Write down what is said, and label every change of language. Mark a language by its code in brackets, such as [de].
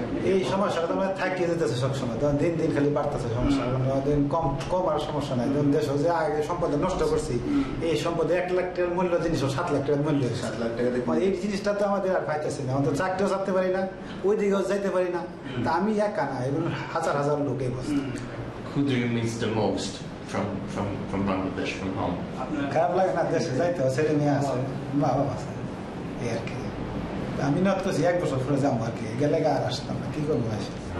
[bn] এই সমস্যাটা তোমার থাকি যেতেছে সবসময়, তখন দিন দিন খালি বাড়তেছে সমস্যা, দিন কম কমার সমস্যা নাই, তখন দেশ হচ্ছে আগে সম্পদ নষ্ট করছি, এই সম্পদে 1 লাখ টাকার মূল্য জিনিস 7 লাখ টাকার মূল্য, 7 লাখ টাকা এই জিনিসটা তো আমাদের আর পাইতেছে না, আমাদের চাকরিও ছাড়তে পারি না, ওই দিকেও যাইতে পারি না, তা আমি একা না, এবং হাজার হাজার লোক এই বসে। [en] Who do you miss the most from Bangladesh, from home? [bn] খারাপ লাগে না দেশে যাইতে, ছেলে মেয়ে আছে, মা বাবা আছে, এই আর কি। আমি না তো 1 বছর ফিরে যাবো আর কি, গেলে গা আর আসতাম না, কি করবো আসি।